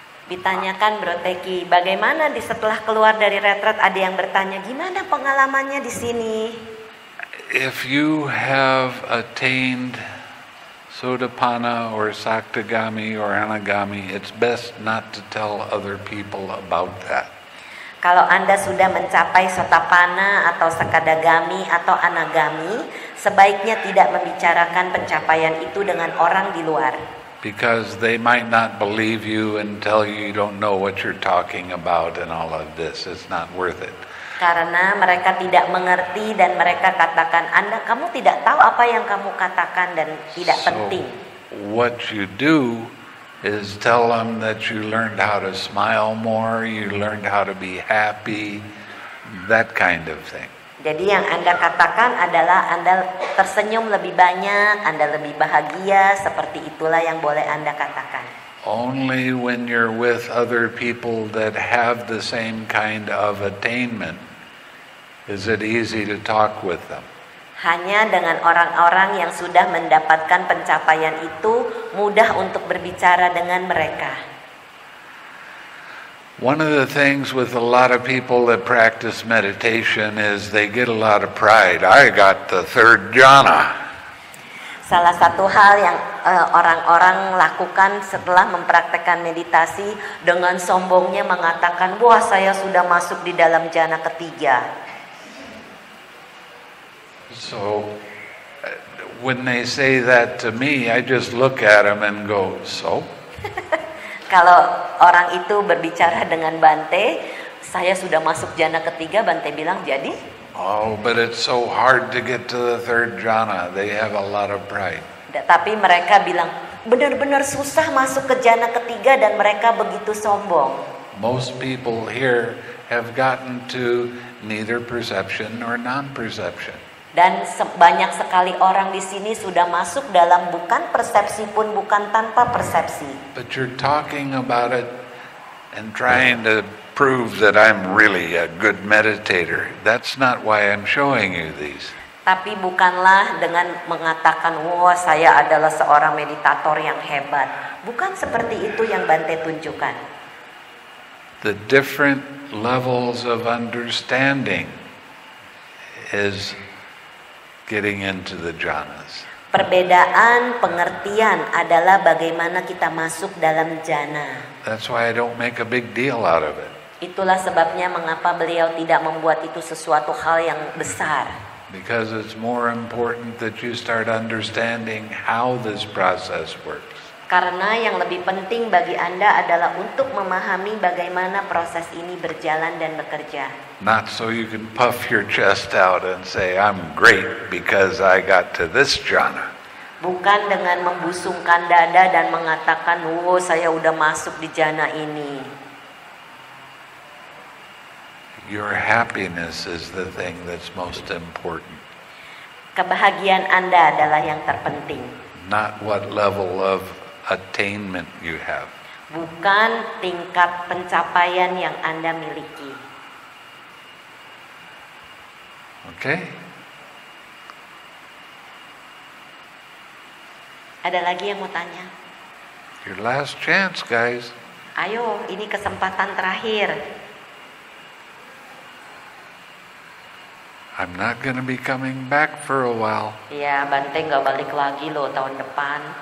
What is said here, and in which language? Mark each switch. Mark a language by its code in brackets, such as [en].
[id] Ditanyakan Bro Teki, bagaimana di setelah keluar dari retret ada yang bertanya gimana pengalamannya di sini. [en] If you have attained Sotapanna or Sakdagami or Anagami, it's best not to tell other people about that. [id] Kalau Anda sudah mencapai Sotapanna atau Sakdagami atau Anagami, sebaiknya tidak membicarakan pencapaian itu dengan orang di luar. [en] Because they might not believe you and tell you you don't know what you're talking about and all of this. It's not worth it. [id] Karena mereka tidak mengerti dan mereka katakan, Anda, kamu tidak tahu apa yang kamu katakan dan tidak penting. [en] So, what you do is tell them that you learned how to smile more, you learned how to be happy, that kind of thing. [id] Jadi yang Anda katakan adalah Anda tersenyum lebih banyak, Anda lebih bahagia, seperti itulah yang boleh Anda katakan. [en] Only when you're with other people that have the same kind of attainment is it easy to talk with them. [id] Hanya dengan orang-orang yang sudah mendapatkan pencapaian itu mudah untuk berbicara dengan mereka. [en] One of the things with a lot of people that practice meditation is they get a lot of pride. I got the third jhana. [id] Salah satu hal yang orang-orang lakukan setelah mempraktikkan meditasi dengan sombongnya mengatakan, wah saya sudah masuk di dalam jhana ketiga. [en] So, when they say that to me, I just look at them and go, so? [id] Kalau orang itu berbicara dengan Bante, saya sudah masuk jhana ketiga, Bante bilang, jadi? [en] Oh, but it's so hard to get to the third jhana. They have a lot of pride. [id] Tapi mereka bilang, benar-benar susah masuk ke jhana ketiga dan mereka begitu sombong. [en] Most people here have gotten to neither perception nor non-perception. [id] Dan banyak sekali orang di sini sudah masuk dalam bukan persepsi pun bukan tanpa persepsi. [en] But you're talking about it and trying to prove that I'm really a good meditator. That's not why I'm showing you these. [id] Tapi bukanlah dengan mengatakan, wah saya adalah seorang meditator yang hebat. Bukan seperti itu yang Bante tunjukkan. [en] The different levels of understanding is getting into the jhanas. [id] Perbedaan pengertian adalah bagaimana kita masuk dalam jhana. [en] That's why I don't make a big deal out of it. [id] Itulah sebabnya mengapa beliau tidak membuat itu sesuatu hal yang besar. [en] Because it's more important that you start understanding how this process works. [id] Karena yang lebih penting bagi Anda adalah untuk memahami bagaimana proses ini berjalan dan bekerja. [en] Not so you can puff your chest out and say I'm great because I got to this jhana. [id] Bukan dengan membusungkan dada dan mengatakan, "Wow, saya udah masuk di jhana ini." [en] Your happiness is the thing that's most important. [id] Kebahagiaan Anda adalah yang terpenting. [en] Not what level of attainment you have. [id] Bukan tingkat pencapaian yang Anda miliki. [en] Okay. [id] Ada lagi yang mau tanya? [en] Your last chance, guys. [id] Ayo, ini kesempatan terakhir. [en] I'm not going to be coming back for a while. [id] Iya, Bante enggak balik lagi loh tahun depan.